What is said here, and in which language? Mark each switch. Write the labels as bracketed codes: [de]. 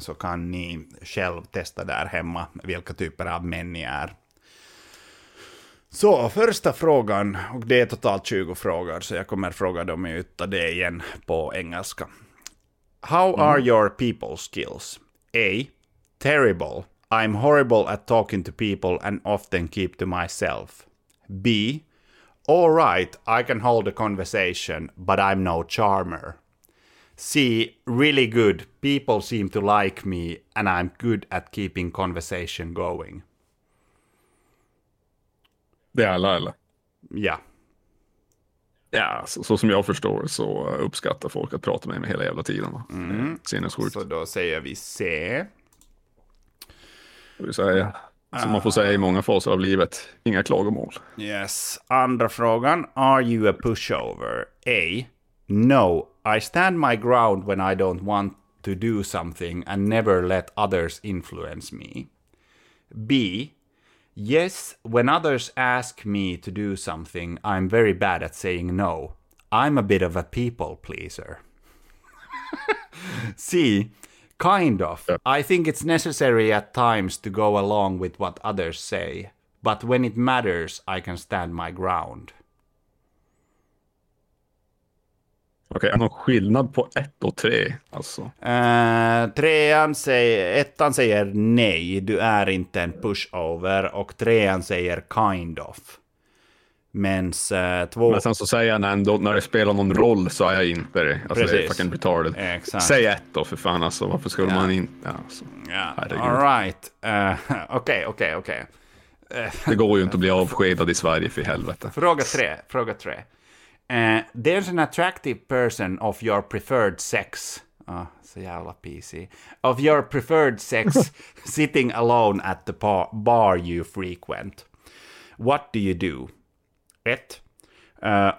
[sv] Så kan ni själv testa där hemma vilka typer av män ni är. Så, första frågan. Och det är totalt 20 frågor. Så jag kommer fråga dem ut av det igen på engelska. [en] How are your people skills? A. Terrible. I'm horrible at talking to people and often keep to myself. B. All right, I can hold a conversation, but I'm no charmer. C. Really good. People seem to like me, and I'm good at keeping conversation going. [sv] Det är alla, eller? Ja. Ja, så som jag förstår så uppskattar folk att prata med mig hela jävla tiden. Va? Sinnessjukt. Så då säger vi C. Vi säger, som man får säga i många faser av livet, inga klagomål. [en] Yes. [sv] Andra frågan, [en] are you a pushover? A. No, I stand my ground when I don't want to do something and never let others influence me. B. Yes, when others ask me to do something, I'm very bad at saying no. I'm a bit of a people pleaser. C. Kind of. Yeah. I think it's necessary at times to go along with what others say, but when it matters, I can stand my ground. [sv] Okej, okay, är någon skillnad på ett och tre? Alltså. Ettan säger nej, du är inte en pushover. Och trean säger [en] kind of. [sv] Mens, men sen så säger han ändå, när det spelar någon roll så är jag inte det. Alltså precis. Det är fucking retarded. Exakt. Säg ett då, för fan alltså. Varför skulle man inte? Alltså. [en] Yeah. All right. Okej. [sv] Det går ju inte att bli avskedad i Sverige för helvete. Fråga tre. [en] There's an attractive person of your preferred sex. [sv] Så jävla PC. [en] Of your preferred sex sitting alone at the bar you frequent. What do you do? 1.